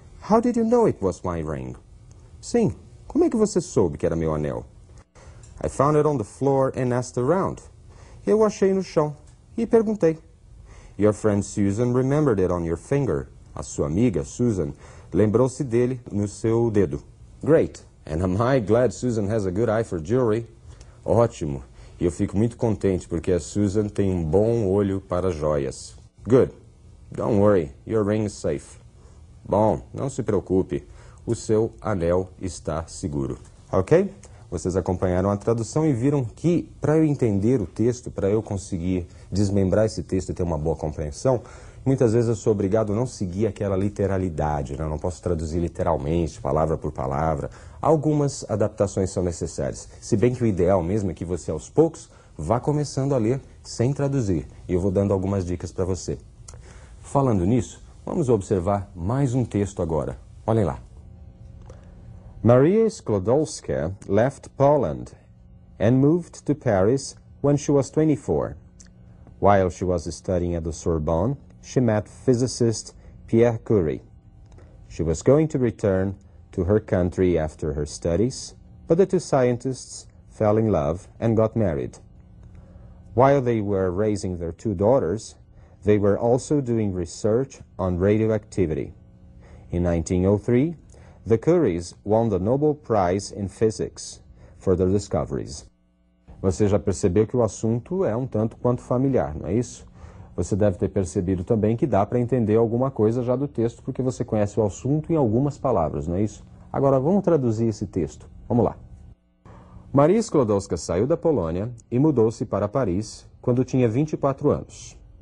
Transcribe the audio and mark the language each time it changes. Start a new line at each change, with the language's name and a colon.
English: How did you know it was my ring?
Portuguese: Sim. Como é que você soube que era meu anel?
English: I found it on the floor and asked around.
Portuguese: Eu o achei no chão e perguntei.
English: Your friend Susan remembered it on your finger.
Portuguese: A sua amiga, Susan, lembrou-se dele no seu dedo.
English: Great. And am I glad Susan has a good eye for jewelry?
Portuguese: Ótimo. E eu fico muito contente porque a Susan tem um bom olho para joias.
English: Good. Don't worry. Your ring is safe.
Portuguese: Bom, não se preocupe. O seu anel está seguro. Ok? Vocês acompanharam a tradução e viram que, para eu entender o texto, para eu conseguir desmembrar esse texto e ter uma boa compreensão, muitas vezes eu sou obrigado a não seguir aquela literalidade, né? Eu não posso traduzir literalmente, palavra por palavra. Algumas adaptações são necessárias. Se bem que o ideal mesmo é que você, aos poucos, vá começando a ler sem traduzir. E eu vou dando algumas dicas para você. Falando nisso, vamos observar mais um texto agora. Olhem lá.
English: Maria Sklodowska left Poland and moved to Paris when she was 24. While she was studying at the Sorbonne, she met physicist Pierre Curie. She was going to return to her country after her studies, but the two scientists fell in love and got married. While they were raising their two daughters, they were also doing research on radioactivity. In 1903, the Curies won the Nobel Prize in Physics for their discoveries.
Portuguese: Você já percebeu que o assunto é um tanto quanto familiar, não é isso? Você deve ter percebido também que dá para entender alguma coisa já do texto, porque você conhece o assunto em algumas palavras, não é isso? Agora, vamos traduzir esse texto. Vamos lá. Maria Sklodowska saiu da Polônia e mudou-se para Paris quando tinha 24 anos.